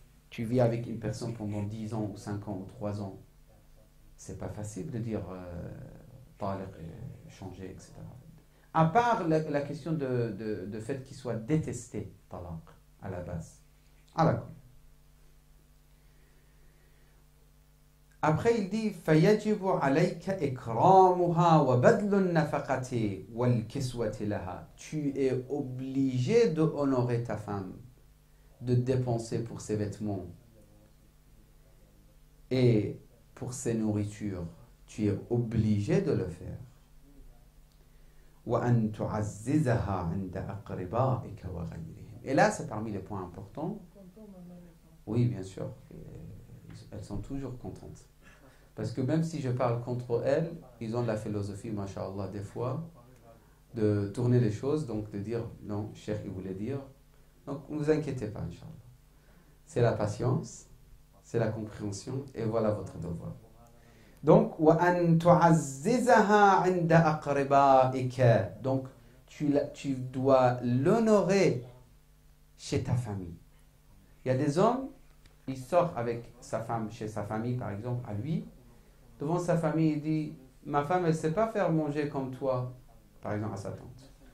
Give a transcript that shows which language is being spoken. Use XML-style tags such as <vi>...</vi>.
<fr>Tu vis avec une personne pendant 10 ans ou 5 ans ou 3 ans. Ce n'est pas facile de dire parler, changer, etc. À part la question de fait qu'il soit détesté, talaq, à la base. À la con. Après, il dit,</fr> <ar>فَيَجِبُ عَلَيْكَ إِكْرَامُهَا وَبَدْلُ النَّفَقَةِ وَالْكِسْوَةِ لَهَا.</ar> <fr>Tu es obligé d'honorer ta femme, de dépenser pour ses vêtements et pour ses nourritures. Tu es obligé de le faire.</fr> <ar>وَأَن تُعَزِّزَهَا عِنْدَ أَقْرِبَائِكَ وَغَيْرِهِمْ.</ar> <fr>Et là, c'est parmi les points importants. Oui, bien sûr. Elles sont toujours contentes. Parce que même si je parle contre elles, ils ont la philosophie, mashallah, des fois, de tourner les choses, donc de dire, non, cher, il voulait dire. Donc, ne vous inquiétez pas, inshallah. C'est la patience, c'est la compréhension, et voilà votre devoir.</fr> <ar>Donc, وَأَن تُعَزِّزَهَا عِنْدَ أَقْرِبَائِكَ.</ar> <fr>Donc, tu dois l'honorer chez ta famille. Il y a des hommes, il sort avec sa femme, chez sa famille, par exemple, à lui. Devant sa famille, il dit, ma femme, elle ne sait pas faire manger comme toi, par exemple, à sa tante.</fr>